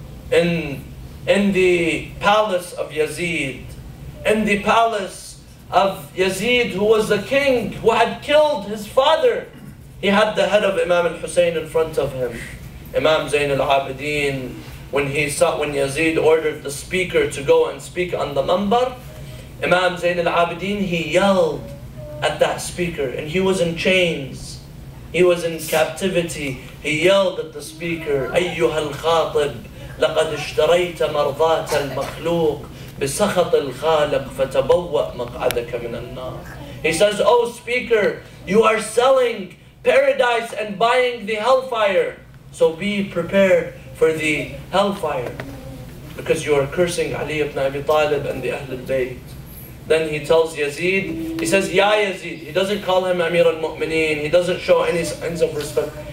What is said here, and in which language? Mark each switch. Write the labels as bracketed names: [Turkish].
[English] In the palace of Yazid, in the palace of Yazid, who was the king, who had killed his father, he had the head of Imam al-Husayn in front of him. Imam Zain al-Abideen, when Yazid ordered the speaker to go and speak on the mambar, Imam Zain al-Abideen, he yelled at that speaker, and he was in chains. He was in captivity. He yelled at the speaker, [Arabic] أيها الخاطب, لقد اشتريت مرضات المخلوق بسخط الخالق فتبوأ مقعدك من النار. [English] He says, oh speaker, you are selling paradise and buying the hellfire. So be prepared for the hellfire because you are cursing Ali ibn Abi Talib and the Ahlul Bayt. Then he tells Yazid, he says, Ya Yazid, he doesn't call him Amir al-Mu'mineen, he doesn't show any signs of respect.